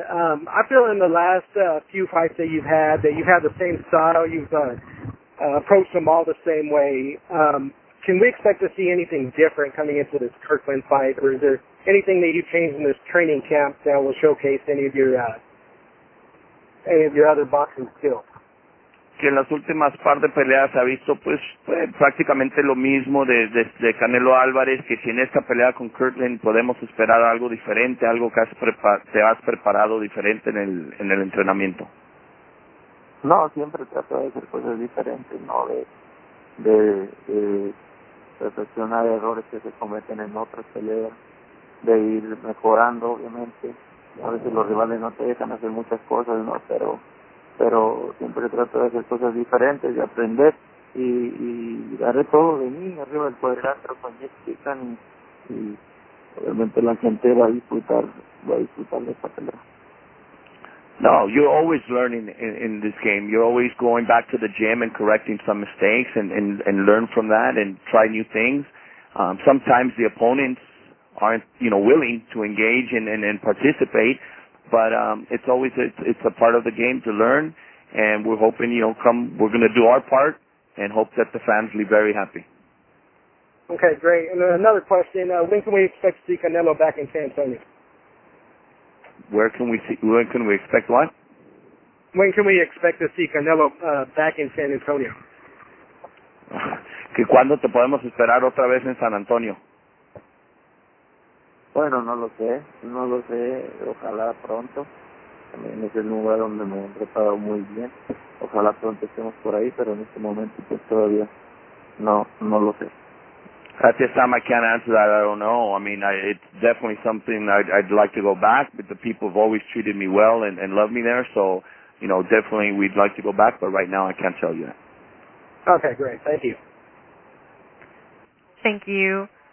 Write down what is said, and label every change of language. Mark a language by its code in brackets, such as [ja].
[en] I feel in the last few fights that you've had the same style. You've approached them all the same way. Can we expect to see anything different coming into this Kirkland fight, or is there anything that you've changed in this training camp that will showcase any of your other boxing skills? [es] Que en las últimas par de peleas ha visto pues prácticamente lo mismo de Canelo Álvarez, que si en esta pelea con Kirkland podemos esperar algo diferente, algo que te has preparado diferente en el entrenamiento. No, siempre trato de hacer cosas diferentes, ¿no? De perfeccionar errores que se cometen en otras peleas, de ir mejorando, obviamente. A veces los rivales no te dejan hacer muchas cosas, ¿no? Pero siempre trato de hacer cosas diferentes, de aprender, y daré todo de mí, arriba del cuadrilátero con Jessica, y obviamente la gente va a disfrutar de esta pelea. [en] No, you're always learning in this game. You're always going back to the gym and correcting some mistakes and learn from that and try new things. Sometimes the opponents aren't, you know, willing to engage and participate, but it's always a part of the game to learn, and we're hoping, you know, we're going to do our part and hope that the fans will be very happy. Okay, great. And another question, when can we expect to see Canelo back in San Antonio? When can we expect to see Canelo back in San Antonio? [es] ¿Que cuándo te podemos esperar otra vez en San Antonio? Bueno, no lo sé. Ojalá pronto. También es el lugar donde me he preparado muy bien. Ojalá pronto estemos por ahí, pero en este momento pues todavía no lo sé. [en] At this time, I can't answer that. I don't know. I mean, it's definitely something I'd like to go back, but the people have always treated me well and loved me there. So, you know, definitely we'd like to go back, but right now I can't tell you that. Okay, great. Thank you. Thank you.